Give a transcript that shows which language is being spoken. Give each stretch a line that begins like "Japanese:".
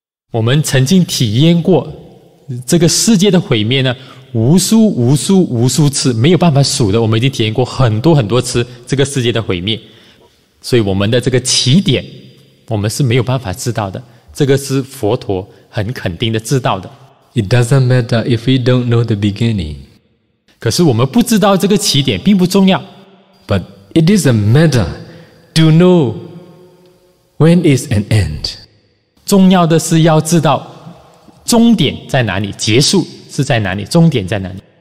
Chinese: 我们曾经体验过这个世界的毁灭呢，无数无数无数次，没有办法数的，我们已经体验过很多很多次这个世界的毁灭。所以我们的这个起点我们是没有办法知道的，这个是佛陀很肯定的知道的。
English: It doesn't matter if we don't know the beginning.
Chinese: 可是我们不知道这个起点并不重要。
English: But it is a matter to know when is an end.
Chinese: 重要的是要知道终点在哪里，结束是在哪里，终点在哪里。